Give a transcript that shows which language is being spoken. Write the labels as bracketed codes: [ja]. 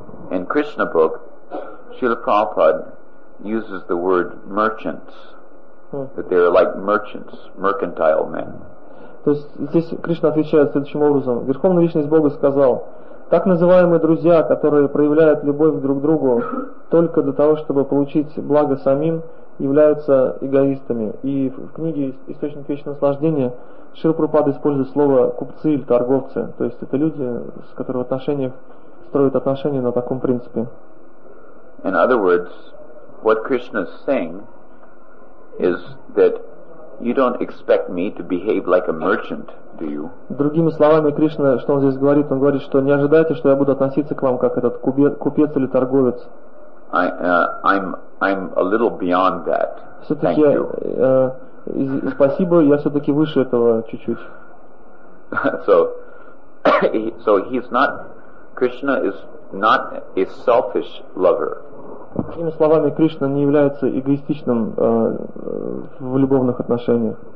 [en] In Krishna book, Srila Prabhupada uses the word merchants, that they are like merchants, mercantile men. [ru] То есть здесь Кришна отвечает следующим образом. Верховная Личность Бога сказал: так называемые друзья, которые проявляют любовь друг к другу только для того, чтобы получить благо самим, являются эгоистами. И в книге «Источник вечного наслаждения» Шрила Прабхупада использует слово «купцы» или «торговцы». То есть это люди, с которыми строят отношения на таком принципе. [en] In other words, what Krishna is saying is that you don't expect me to behave like a merchant, do you? [ru] Другими словами, Кришна, что он здесь говорит? Он говорит, что не ожидайте, что я буду относиться к вам как этот купец или торговец. [en] I'm a little beyond that. [ru] Все-таки, [en] thank you. [ru] Спасибо, я все-таки выше этого чуть-чуть. [en] So he's not. Krishna is not a selfish lover. [ru] Другими словами, Кришна не является эгоистичным в любовных отношениях.